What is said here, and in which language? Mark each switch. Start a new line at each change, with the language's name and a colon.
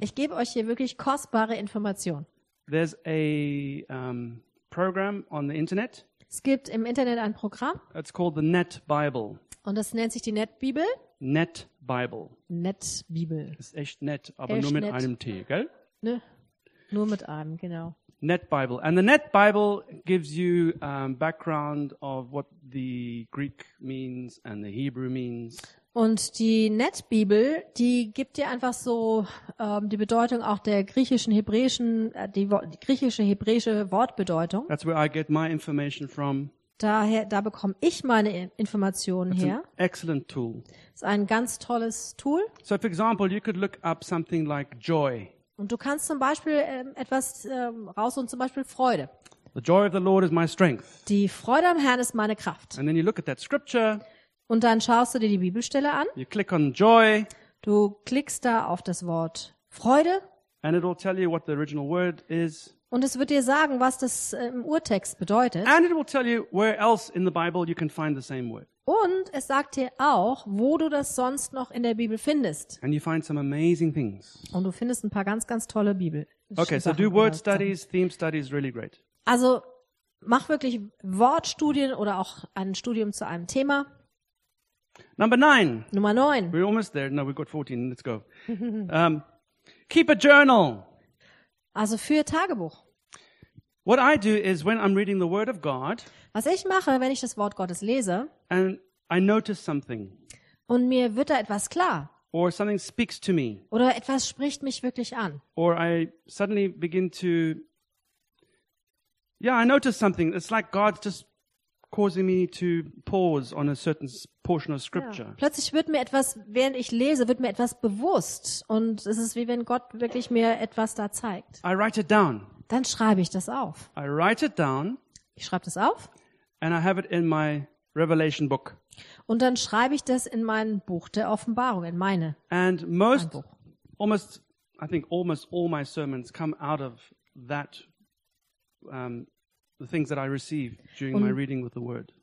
German: Ich gebe euch hier wirklich kostbare Informationen.
English: There's a program on the internet.
German: Es gibt im Internet ein Programm.
English: It's called the Net Bible.
German: Und das nennt sich die Netbibel.
English: Net Bible.
German: Net Bibel. Ist echt nett, aber echt nur mit einem T, gell? Ne, nur mit einem, genau.
English: Net Bible. And the Net Bible gives you background of what the Greek means and the Hebrew means.
German: Und die Netbibel, die gibt dir einfach so die Bedeutung auch der griechischen, hebräischen, die griechische, hebräische Wortbedeutung.
English: That's where I get my information from.
German: Da bekomme ich meine Informationen her.
English: It's an excellent tool.
German: Ist ein ganz tolles Tool.
English: So, for example, you could look up something like joy.
German: Und du kannst zum Beispiel etwas raussuchen, zum Beispiel Freude.
English: The joy of the Lord is my strength.
German: Die Freude am Herrn ist meine Kraft.
English: And then you look at that scripture.
German: Und dann schaust du dir die Bibelstelle an.
English: You click on joy.
German: Du klickst da auf das Wort Freude.
English: And it'll tell you what the original word is.
German: Und es wird dir sagen, was das im Urtext bedeutet.
English: And it will tell you where else in the Bible you can find the same word.
German: Und es sagt dir auch, wo du das sonst noch in der Bibel findest.
English: And you find some amazing things.
German: Und du findest ein paar ganz, ganz tolle Bibel.
English: Okay, so do word studies, theme studies, really great.
German: Also mach wirklich Wortstudien oder auch ein Studium zu einem Thema.
English: Number 9.
German: Nummer 9.
English: We're almost there. No, we've got 14. Let's go. Keep a journal.
German: Also für Tagebuch.
English: What I do is when I'm reading the Word of God.
German: Was ich mache, wenn ich das Wort Gottes lese.
English: And I notice something.
German: Und mir wird da etwas klar.
English: Or something speaks to me.
German: Oder etwas spricht mich wirklich an.
English: Or I suddenly begin to. Yeah, I notice something. It's like God just causing me to pause on a certain portion of scripture. Ja.
German: Plötzlich wird mir etwas, während ich lese, wird mir etwas bewusst. Und es ist wie wenn Gott wirklich mir etwas da zeigt.
English: I write it down.
German: Dann schreibe ich das auf.
English: I write it down.
German: Ich schreibe das auf.
English: And I have it in my Revelation book.
German: Und dann schreibe ich das in mein Buch der Offenbarung, in meine.
English: And most, almost, I think almost all my sermons come out of that the things that I receive during my reading with the word.